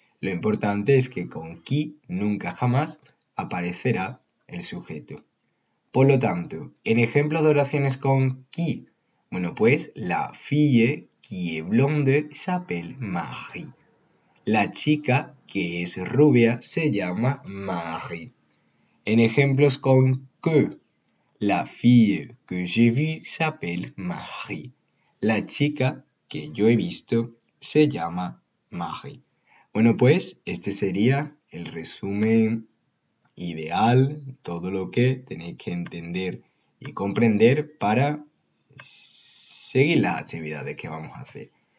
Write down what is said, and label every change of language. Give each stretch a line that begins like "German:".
Spanish: Lo importante es que con qui nunca jamás aparecerá el sujeto. Por lo tanto, en ejemplo de oraciones con qui, bueno, pues
French: la fille qui est blonde s'appelle Marie.
Spanish: La chica que es rubia se llama Marie. En ejemplos con que,
French: la fille que j'ai vue s'appelle Marie.
Spanish: La chica que yo he visto se llama Marie. Bueno, pues este sería el resumen ideal, todo lo que tenéis que entender y comprender para seguir las actividades que vamos a hacer.